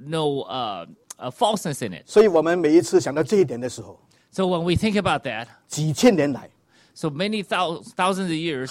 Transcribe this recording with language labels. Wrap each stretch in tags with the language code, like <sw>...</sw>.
<en>There's no change and no falseness in it.</en> <zh>所以我们每一次想到这一点的时候,</zh> <en>So when we think about that,</en> <zh>几千年来,</zh> <en>So many thousands of years,</en>